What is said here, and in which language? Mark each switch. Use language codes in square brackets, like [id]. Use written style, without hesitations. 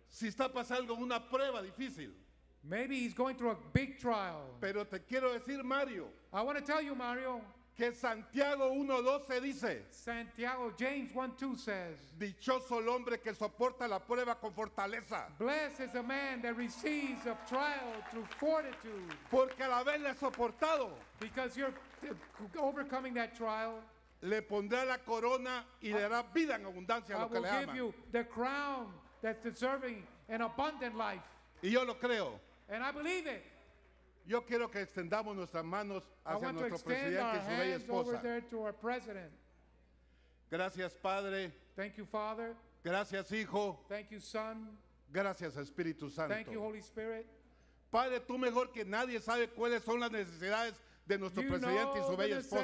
[es] si está pasando una prueba difícil. [en] Maybe he's going through a big trial. [es] Pero te quiero decir, Mario. [en] I want to tell you, Mario. [es] Que Santiago 1:12 dice. [en] Santiago James 1:2 says. [es] Dichoso el hombre que soporta la prueba con fortaleza. [en] Blessed is the man that receives a trial through fortitude. [es] Porque al haberla soportado. [en] Because you're overcoming that trial. [es] Le pondrá la corona y le dará vida en abundancia a lo que le ama. [en] I will give you the crown that's deserving an abundant life. [es] Y yo lo creo. [en] And I believe it. [es] Yo quiero que extendamos nuestras manos hacia nuestro presidente y su bella esposa. [en] Over there to our president. [es] Gracias, Padre. [en] Thank you, Father. [es] Gracias, Hijo. [en] Thank you, Son. [es] Gracias, Espíritu Santo. [en] Thank you, Holy Spirit. [es] Padre, tú mejor que nadie sabes cuáles son las necesidades de nuestro presidente y su bella esposa.